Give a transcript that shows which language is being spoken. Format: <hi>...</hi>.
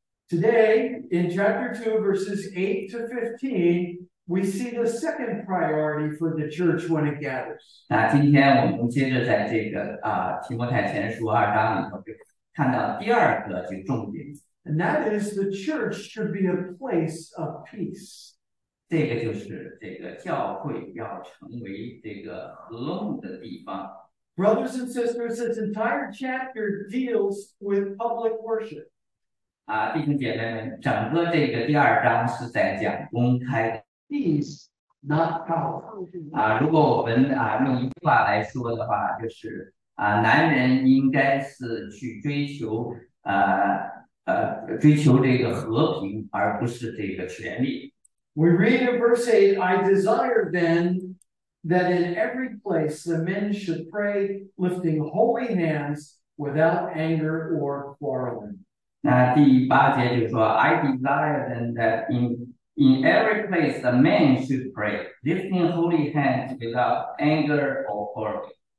<en>Today, in chapter 2, verses 8 to 15, we see the second priority for the church when it gathers.</en> <zh>那今天我们接着在这个提摩太前书2章里头就看到第二个这个重点。</zh> <en>And that is the church should be a place of peace.</en> <zh>这个就是这个教会要成为这个和睦的地方。</zh> <en>Brothers and sisters, this entire chapter deals with public worship.</en> <zh>弟兄姐妹们，整个这个第二章是在讲公开的。</zh> <en>Peace, not power.</en> <zh>如果我们用一句话来说的话，就是男人应该是去追求追求这个和平，而不是这个权利。</zh> <en>We read in verse 8, I desire then that in every place the men should pray, lifting holy hands without anger or quarreling.</en> <zh>那第八节就说，</zh> <en>I desire then that in every place the man should pray, lifting holy hands without anger or quarreling.</en>